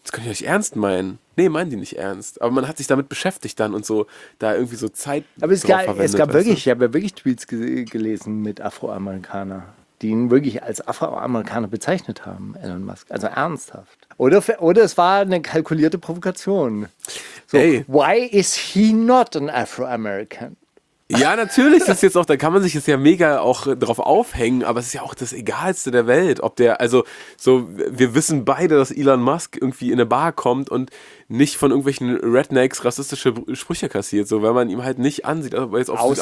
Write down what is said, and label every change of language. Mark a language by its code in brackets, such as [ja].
[de] Das kann ich nicht ernst meinen. Nee, meinen die nicht ernst. Aber man hat sich damit beschäftigt dann und so, da irgendwie so Zeit drauf verwendet. Aber ich habe ja wirklich Tweets gelesen mit Afroamerikaner, die ihn wirklich als Afroamerikaner bezeichnet haben, Elon Musk. Also ernsthaft. Oder es war eine kalkulierte Provokation. So, hey. [en] Why is he not an Afroamerican? [de] Ja, natürlich, das ist jetzt auch, da kann man sich jetzt ja mega auch drauf aufhängen, aber es ist ja auch das Egalste der Welt, ob der, also so, wir wissen beide, dass Elon Musk irgendwie in eine Bar kommt und nicht von irgendwelchen Rednecks rassistische Sprüche kassiert, so, weil man ihm halt nicht ansieht, also, weil jetzt auf Südafrika...